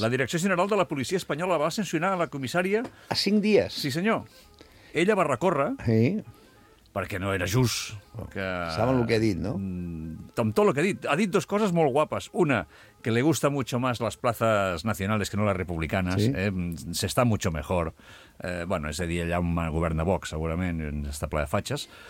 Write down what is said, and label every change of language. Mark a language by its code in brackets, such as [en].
[ca] La Direcció General de la Policia Espanyola va sancionar la comissària... A 5 dies. Sí, senyor. Ella va recórrer... Sí. Perquè no era just. Que... Saben el que ha dit, no? Amb tot el que ha dit. Ha dit dues coses molt guapes. [es] Una, que le gusta mucho más las plazas nacionales que no las republicanas. [ca] Sí. [es] Se está mucho mejor. [ca] Bueno, és a dir, allà un govern de Vox, segurament, està ple de fatxes.